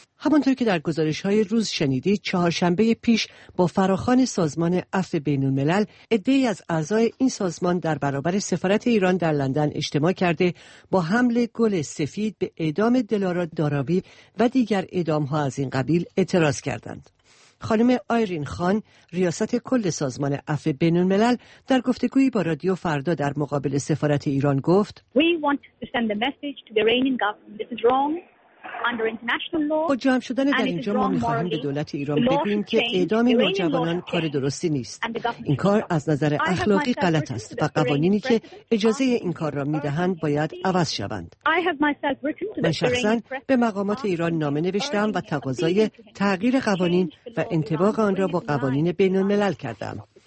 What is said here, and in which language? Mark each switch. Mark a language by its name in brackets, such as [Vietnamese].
[Persian] همانطور که در گزارش‌های روز شنیدید، چهارشنبه پیش با فراخوان سازمان عفو بین‌الملل، عده‌ای از اعضای این سازمان در برابر سفارت ایران در لندن اجتماع کرده، با حمل گل سفید به اعدام دلارا داراوی و دیگر اعدام‌ها از این قبیل اعتراض کردند. خانم آیرین خان، ریاست کل سازمان عفو بین‌الملل، در گفتگویی با رادیو فردا در مقابل سفارت ایران گفت: [English] We want to send the message to the Iranian government. This is wrong. [Persian] با جمع شدن در اینجا ما میخواهیم به دولت ایران بگوییم که اعدام نوجوانان کار درستی نیست. این کار از نظر اخلاقی غلط است و قوانینی که اجازه این کار را میدهند باید عوض شوند. من شخصا به مقامات ایران نامه نوشتم و تقاضای تغییر قوانین و انطباق آن را با قوانین بین الملل کردم.